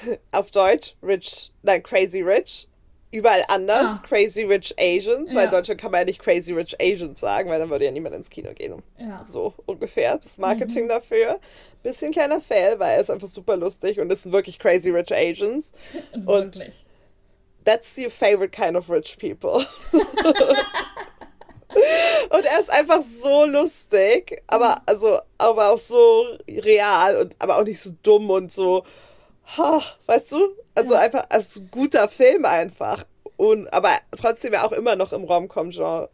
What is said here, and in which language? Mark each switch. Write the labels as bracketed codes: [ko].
[de] Auf Deutsch Rich, nein, Crazy Rich, überall anders, Ah, Crazy Rich Asians, weil in ja. Deutschland kann man ja nicht Crazy Rich Asians sagen, weil dann würde ja niemand ins Kino gehen. Ja. So ungefähr das Marketing dafür. Bisschen kleiner Fail, weil es einfach super lustig und es sind wirklich Crazy Rich Asians. Und Wirklich. [en] that's your favorite kind of rich people. [de] Und er ist einfach so lustig, aber auch so real und aber auch nicht so dumm und so, ha, weißt du? Also Ja. einfach als guter Film einfach. Aber trotzdem ja auch immer noch im Rom-Com-Genre.